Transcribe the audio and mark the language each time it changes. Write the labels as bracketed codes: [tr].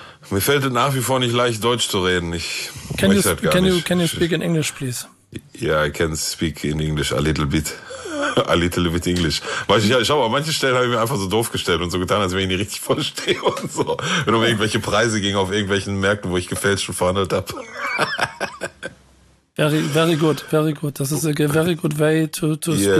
[de] Mir fällt es nach wie vor nicht leicht, Deutsch zu reden. [en] Can you speak in English, please? Ja, yeah, I can speak in English a little bit English. [de] Weil ich schau mal, an manchen Stellen habe ich mir einfach so doof gestellt und so getan, als wenn ich nicht richtig verstehe und so. Wenn um irgendwelche Preise ging auf irgendwelchen Märkten, wo ich gefälscht und verhandelt habe. [en] Very good. [de] Das ist [en] a very good way to yeah.